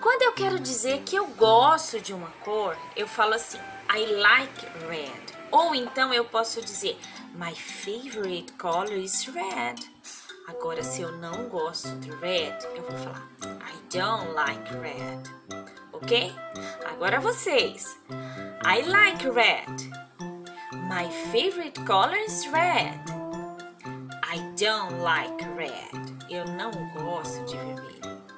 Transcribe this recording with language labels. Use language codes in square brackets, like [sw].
[pt] Quando eu quero dizer que eu gosto de uma cor, eu falo assim, [en] I like red. [pt] Ou então eu posso dizer, [en] my favorite color is red. [pt] Agora, se eu não gosto de red, eu vou falar, [en] I don't like red. [pt] Ok? Agora vocês. [en] I like red. My favorite color is red. I don't like red. [pt] Eu não gosto de vermelho.